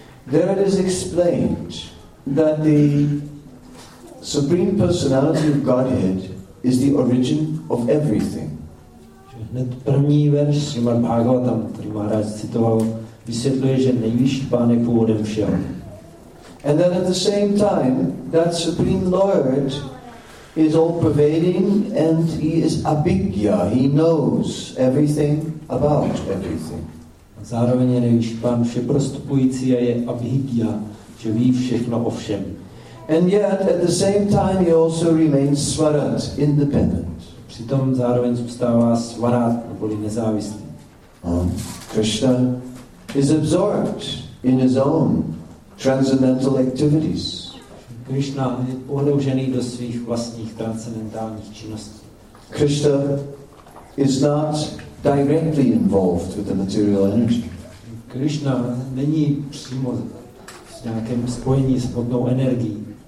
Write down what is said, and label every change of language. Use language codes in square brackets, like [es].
[en] There it is explained that the Supreme Personality of Godhead is the origin of everything. [cs] Hned první verš Srimad Bhagavatam, který Maharaj citoval, vysvětluje, že nejvyšší pán je původem všeho. [en] And that at the same time, that Supreme Lord is all-pervading and he is abhijna, he knows everything about everything. [cs] Zároveň je nejvyšší pán všeprostupující a je abhigya, že ví všechno o všem. [en] And yet, at the same time, he also remains svarat, independent. [cs] Přitom zároveň zůstává svarat, neboli nezávislý. [en] Krishna is absorbed in his own transcendental activities. [cs] Krishna je ohroužený do svých vlastních transcendentálních činností. [en] Krishna is not directly involved with the material energy. [cs] Krishna není přímo v nějakém spojení s hmotnou energií.